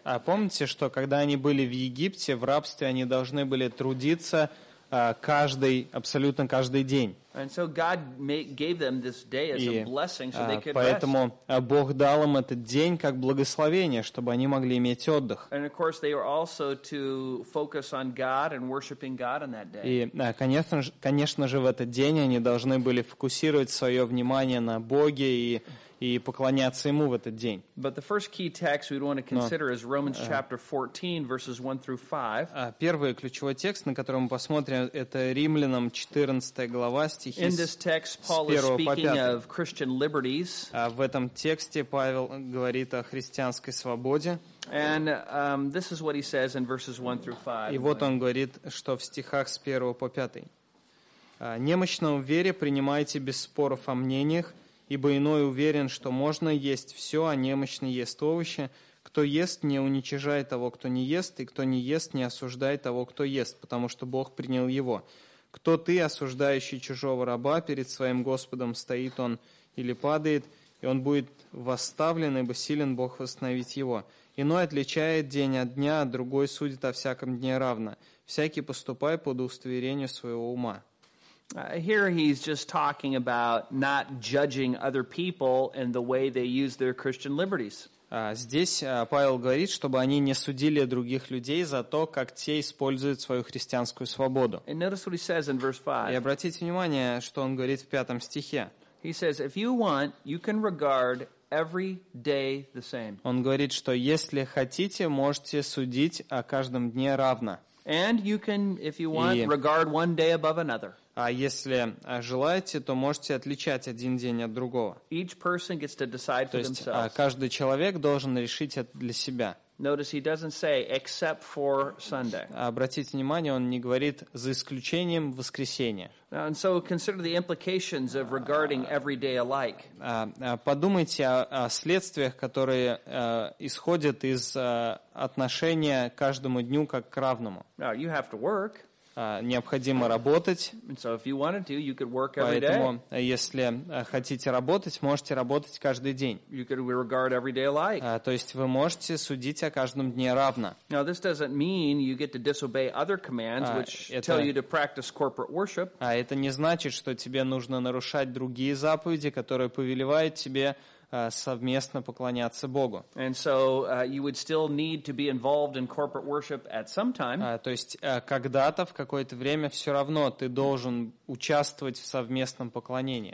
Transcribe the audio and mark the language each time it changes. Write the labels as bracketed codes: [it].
[ru] А помните, что когда они были в Египте, в рабстве, они должны были трудиться абсолютно каждый день. [en] And so God gave them this day as a blessing, so they could rest. [ru] Поэтому Бог дал им этот день как благословение, чтобы они могли иметь отдых. [en] And of course, they were also to focus on God and worshiping God on that day. [ru] И, конечно же, в этот день они должны были фокусировать свое внимание на Боге и поклоняться Ему в этот день. [en] But the first key text we'd want to consider is Romans chapter 14, verses 1 through 5. [ru] Первый ключевой текст, на который мы посмотрим, это Римлянам 14 глава, [en] In this text, Paul is speaking of Christian liberties. [ru] В этом тексте Павел говорит о христианской свободе. [en] And this is what he says in verses 1 through 5. [ru] И вот он говорит, что в стихах с 1 по 5. «Немощному в вере принимайте без споров о мнениях, ибо иной уверен, что можно есть все, а немощный ест овощи. Кто ест, не уничижает того, кто не ест, и кто не ест, не осуждает того, кто ест, потому что Бог принял его». Кто ты, осуждающий чужого раба, перед своим Господом стоит он или падает, и он будет восставлен, ибо силен Бог восстановить его. Иной отличает день от дня, другой судит о всяком дне равно. Всякий поступай по удостоверению своего ума. [en] Here he's just talking about not judging other people and the way they use their Christian liberties. [ru] Здесь Павел говорит, чтобы они не судили других людей за то, как те используют свою христианскую свободу. [en] And notice what he says in verse 5. [ru] И обратите внимание, что он говорит в пятом стихе. [en] He says, if you want, you can regard every day the same. [ru] Он говорит, что если хотите, можете судить о каждом дне равно. [en] And you can, if you want, regard one day above another. [ru] А если желаете, то можете отличать один день от другого. [en] Each person gets to decide for themselves. [ru] То есть каждый человек должен решить это для себя. [en] Notice he doesn't say except for Sunday. [ru] Обратите внимание, он не говорит за исключением воскресенья. [en] And so consider the implications of regarding every day alike. [ru] Подумайте о следствиях, которые исходят из отношения к каждому дню как к равному. [en] Now you have to work. [ru] Необходимо работать. [en] So if you wanted to, you could work every [ru] Поэтому, [en] day. [ru] Если хотите работать, можете работать каждый день. [en] You could regard every day alike. [ru] То есть вы можете судить о каждом дне равно. [en] Now this doesn't mean you get to disobey other commands, which tell you to practice corporate worship. [ru] Это не значит, что тебе нужно нарушать другие заповеди, которые повелевают тебе совместно поклоняться Богу. [en] And so you would still need to be involved in corporate worship at some time. [ru] То есть когда-то в какое-то время все равно ты должен участвовать в совместном поклонении.